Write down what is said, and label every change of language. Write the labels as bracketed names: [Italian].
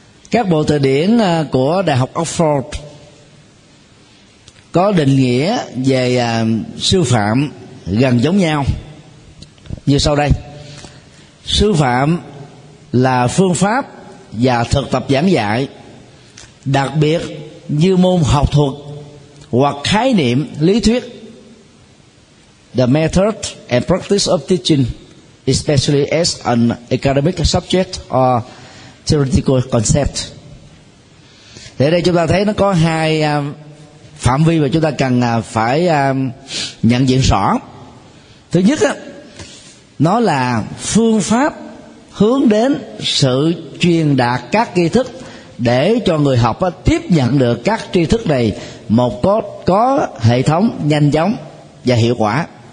[Vietnamese] Các bộ từ điển của Đại học Oxford có định nghĩa về sư phạm gần giống nhau như sau đây. Sư phạm là phương pháp và thực tập giảng dạy, đặc biệt như môn học thuật hoặc khái niệm lý thuyết. [English] The method and practice of teaching, especially as an academic subject or theoretical concept. [Vietnamese] Thế đây chúng ta thấy nó có hai phạm vi mà chúng ta cần phải nhận diện rõ. Thứ nhất á, nó là phương pháp hướng đến sự truyền đạt các tri thức để cho người học tiếp nhận được các tri thức này một có hệ thống, nhanh chóng và hiệu quả.